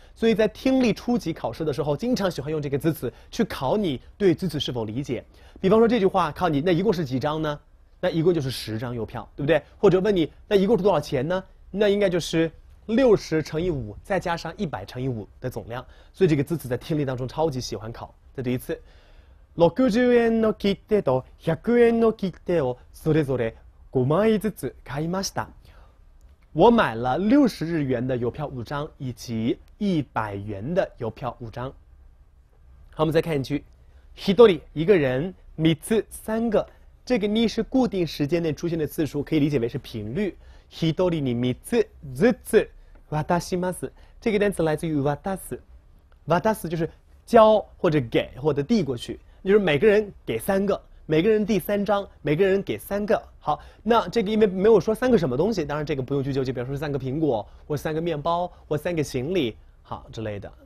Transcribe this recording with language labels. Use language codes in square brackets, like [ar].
[zh] 所以在听力初级考试的时候，经常喜欢用这个字词去考你对字词是否理解。比方说这句话考你，那一共是几张呢？那一共就是10张邮票，对不对？或者问你那一共是多少钱呢？那应该就是60×5再加上100×5的总量。所以这个字词在听力当中超级喜欢考。再读一次。 [ja] 60円の切手と100円の切手をそれぞれ5枚ずつ買いました。 [zh] 我买了60日元的邮票5张，以及100元的邮票5张。好，我们再看一句，一人一个人，三つ三个，这个呢是固定时间内出现的次数，可以理解为是频率。 [ja] 一人に三つずつ渡します。 [zh] 这个单词来自于渡す，渡す就是交或者给或者递过去。就是每个人给三个，每个人递3张，每个人给3个。好，那这个因为没有说三个什么东西，当然这个不用去纠结，比如说三个苹果，或3个面包，或3个行李，好之类的。